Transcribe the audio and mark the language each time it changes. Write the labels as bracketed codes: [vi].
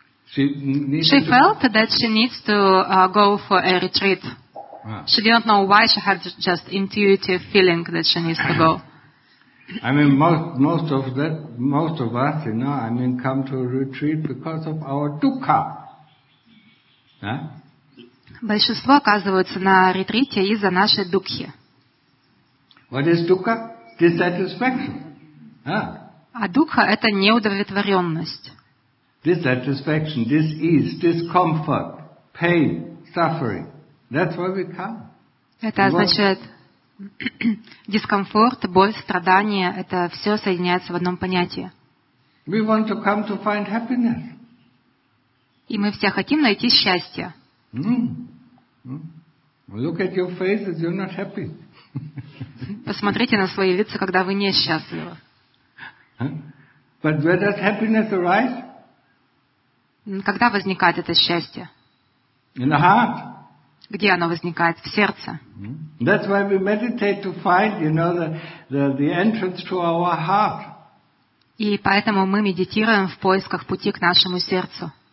[en] She felt that she needs to go for a retreat. She didn't know why. She had just intuitive feeling that she needs to go. I mean, most of us, you know, I mean, come to a retreat because of our dukkha. Yeah? [ru] Большинство оказываются на ретрите из-за нашей дукхи. [en] What is dukkha? Dissatisfaction. [ru] А дукха – это неудовлетворенность. [en] Dissatisfaction, dis-ease, discomfort, pain, suffering. That's why we come. [ru] Это означает... дискомфорт, боль, страдания – это все соединяется в одном понятии. [en] We want to come to find happiness. [ru] И мы все хотим найти счастье. [en] Look at your faces, you're not happy. [ru] Посмотрите на свои лица, когда вы не счастливы. [en] But where does happiness arise? [ru] Когда возникает это счастье? [en] In the heart. [ru] Где оно возникает? В сердце. [en] That's why we meditate to find, you know, the entrance to our heart. [ru] И поэтому мы медитируем в поисках пути к нашему сердцу.